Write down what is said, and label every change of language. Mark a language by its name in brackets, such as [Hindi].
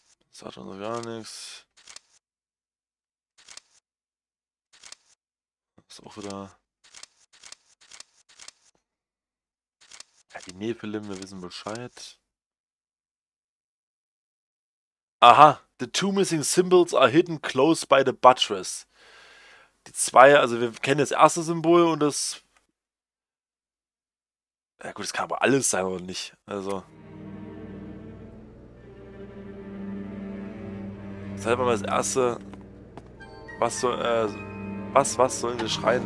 [German] Das hat uns gar nichts. Ist auch wieder. Ja, die Nephilim, wir wissen Bescheid. Aha, [English] The two missing symbols are hidden close by the buttress. [German] Die zwei, also wir kennen das erste Symbol und das. Ja gut, das kann aber alles sein oder nicht. Also. Das ist halt immer das erste. Was so, was sollen wir schreien?